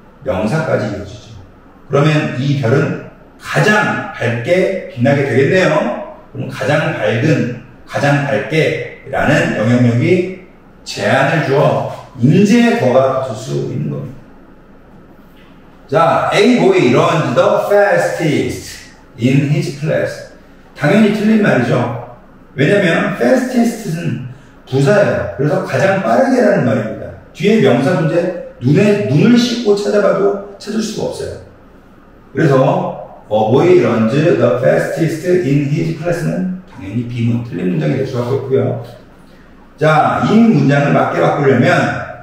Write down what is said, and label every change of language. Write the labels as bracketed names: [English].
[Korean] 명사까지 이어지죠. 그러면 이 별은 가장 밝게 빛나게 되겠네요. 그럼 가장 밝은, 가장 밝게라는 영향력이 제한을 주어 인제 더가 붙을 수 있는 겁니다. [English] 자, A boy runs the fastest in his class. [Korean] 당연히 틀린 말이죠. 왜냐면 fastest는 부사예요. 그래서 가장 빠르게라는 말입니다. 뒤에 명사 존재, 눈을 씻고 찾아봐도 찾을 수가 없어요. 그래서 [English] A boy runs the fastest in his class [Korean] 는 당연히 비문, 틀린 문장이 될 수가 없고요. 자, 이 문장을 맞게 바꾸려면